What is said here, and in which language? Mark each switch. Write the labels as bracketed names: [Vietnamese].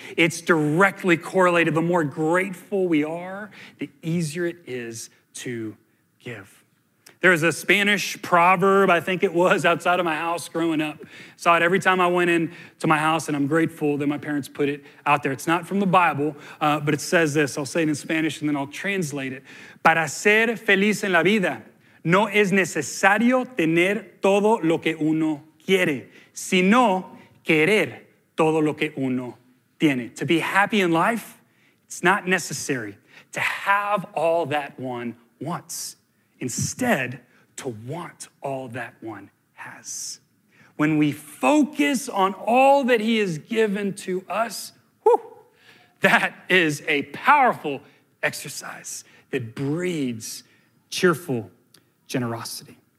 [English] It's directly correlated. The more grateful we are, the easier it is to give. There was a Spanish proverb, I think it was, outside of my house growing up. Saw it every time I went in to my house, and I'm grateful that my parents put it out there. It's not from the Bible, but it says this. I'll say it in Spanish, and then I'll translate it. [Spanish] Para ser feliz en la vida, No es necesario tener todo lo que uno quiere, sino querer todo lo que uno tiene. [English] To be happy in life, it's not necessary to have all that one wants. Instead, to want all that one has. When we focus on all that he has given to us, whew, that is a powerful exercise that breeds cheerful generosity.